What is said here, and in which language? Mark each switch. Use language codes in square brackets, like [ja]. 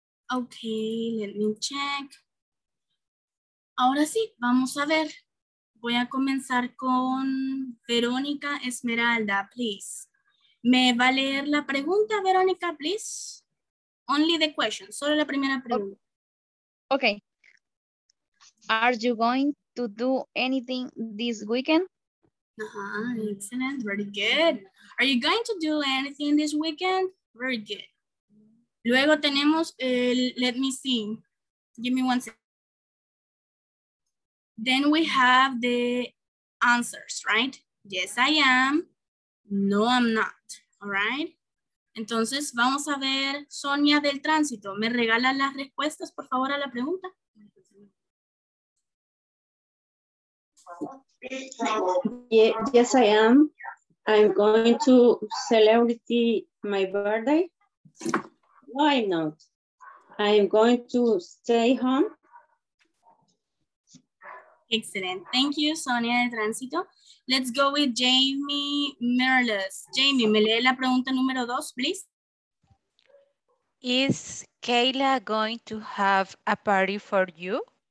[en] Okay, let me check. [es] Ahora sí, vamos a ver. Voy a comenzar con Verónica Esmeralda, please. ¿Me va a leer la pregunta, Verónica, please? [en] Only the question, [es] solo la primera pregunta. [en] Okay. Are you going to do anything this weekend? Excellent, very good. Are you going to do anything this weekend? Very good. [es] Luego tenemos el, [en] let me see. Give me one second. Then we have the answers, right? Yes, I am. No, I'm not. All right. [es] Entonces, vamos a ver, Sonia del Tránsito, ¿me regala las respuestas, por favor, a la pregunta? [en] Yes, I am. I'm going to celebrate my birthday. Why not? I'm going to stay home. Excellent. Thank you, Sonia de Tránsito. Let's go with Jamie Merlis. [es] Jamie, ¿me lee la pregunta número dos, please? [en] Is Kayla going to have a party for you?